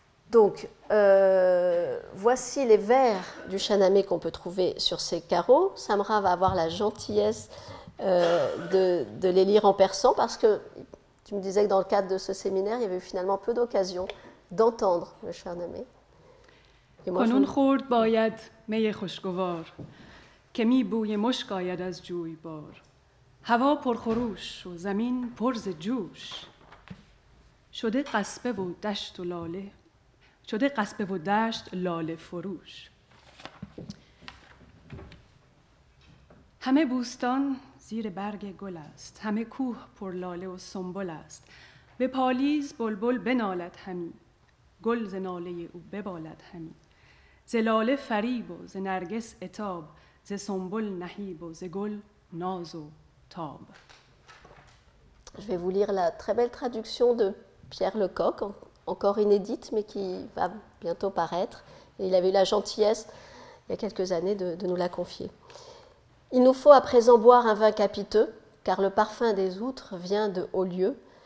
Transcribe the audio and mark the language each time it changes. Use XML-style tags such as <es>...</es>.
<fr>Donc, voici les vers du chanamé qu'on peut trouver sur ces carreaux. Samra va avoir la gentillesse de les lire en persan parce que tu me disais que dans le cadre de ce séminaire, il y avait finalement peu d'occasion d'entendre le chanamé.</fr> <fa>کنون خورد باید می خوشگوار که می بوی مشک آید از جوی بار هوا پرخروش و زمین پرز جوش شده قصبه و دشت و لاله شده قصبه و دشت لاله فروش همه بوستان زیر برگ گل است همه کوه پر لاله و سنبل است به پالیز بلبل بنالد همی گل ز ناله او ببالد همی ز لاله فریب و ز نرگس عتاب ز سنبل نهیب و ز گل ناز و تاب.</fa> <fr>Je vais vous lire la très belle traduction de Pierre Lecoq, encore inédite mais qui va bientôt paraître. Il avait eu la gentillesse il y a quelques années de nous la confier. Il nous faut à présent boire un vin capiteux, car le parfum des outres vient de haut lieu.</fr>